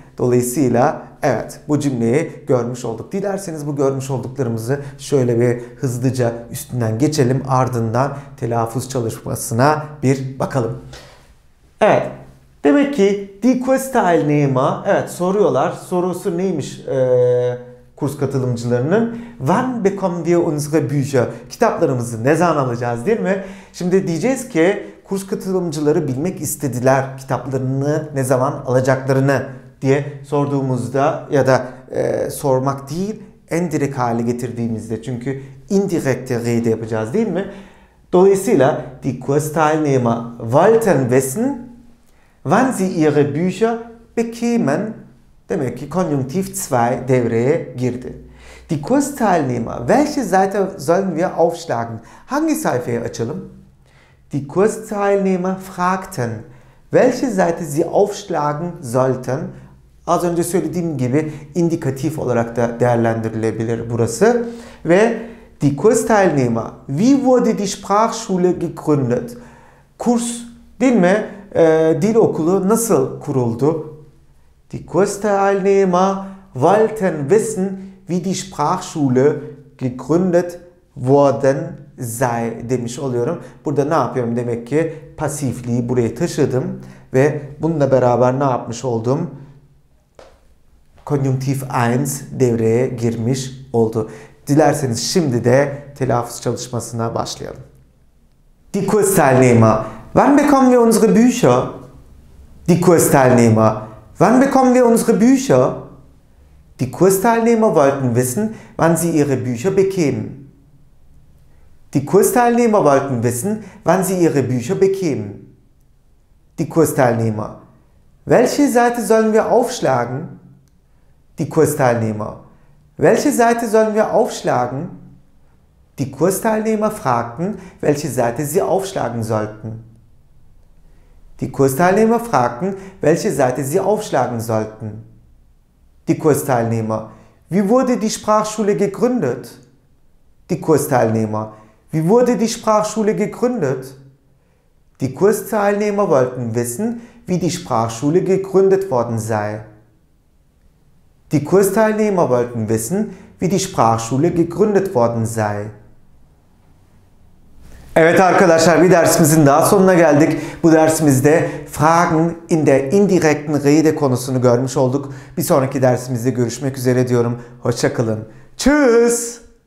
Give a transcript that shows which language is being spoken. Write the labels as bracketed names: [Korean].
[Turkish] Dolayısıyla evet, bu cümleyi görmüş olduk. Dilerseniz bu görmüş olduklarımızı şöyle bir hızlıca üstünden geçelim. Ardından telaffuz çalışmasına bir bakalım. Evet. Demek ki Die Kursteilnehmer, evet, soruyorlar. Sorusu neymiş kurs katılımcılarının? [German] Wann bekommen wir unsere Bücher? [Turkish] Kitaplarımızı ne zaman alacağız değil mi? Şimdi diyeceğiz ki kurs katılımcıları bilmek istediler kitaplarını ne zaman alacaklarını diye sorduğumuzda, ya da sormak değil, en direkt hale getirdiğimizde, çünkü indirekte rede yapacağız değil mi? [German] Dolayısıyla Die Kursteilnehmer wollten wissen, wann sie ihre Bücher bekämen. [Turkish] Demek ki konjunktiv 2 devreye girdi. [German] Die Kursteilnehmer, welche Seite sollen wir aufschlagen? [Turkish] Hangi sayfayı açalım? [German] Die Kursteilnehmer fragten, welche Seite sie aufschlagen sollten. [Turkish] Az önce söylediğim gibi indikatif olarak da değerlendirilebilir burası. [German] Ve Die Kursteilnehmer, wie wurde die Sprachschule gegründet? [Turkish] Kurs değil mi? Dil okulu nasıl kuruldu? [German] Die Kursteilnehmer wollten wissen, wie die Sprachschule gegründet worden sei [Turkish] demiş oluyorum. Burada ne yapıyorum? Demek ki pasifliği buraya taşıdım ve bununla beraber ne yapmış oldum? Konjunktif 1 devreye girmiş oldu. Dilerseniz şimdi de telaffuz çalışmasına başlayalım. [German] Die Kursteilnehmer, wann bekommen wir unsere Bücher? Die Kursteilnehmer, wann bekommen wir unsere Bücher? Die Kursteilnehmer wollten wissen, wann sie ihre Bücher bekämen. Die Kursteilnehmer wollten wissen, wann sie ihre Bücher bekämen. Die Kursteilnehmer, welche Seite sollen wir aufschlagen? Die Kursteilnehmer, welche Seite sollen wir aufschlagen? Die Kursteilnehmer fragten, welche Seite sie aufschlagen sollten. Die Kursteilnehmer fragten, welche Seite sie aufschlagen sollten. Die Kursteilnehmer: Wie wurde die Sprachschule gegründet? Die Kursteilnehmer: Wie wurde die Sprachschule gegründet? Die Kursteilnehmer wollten wissen, wie die Sprachschule gegründet worden sei. Die Kursteilnehmer wollten wissen, wie die Sprachschule gegründet worden sei. [Turkish] Evet arkadaşlar, bir dersimizin daha sonuna geldik. Bu dersimizde [German] Fragen in der indirekten Rede [Turkish] konusunu görmüş olduk. Bir sonraki dersimizde görüşmek üzere diyorum. Hoşça kalın. Tschüss.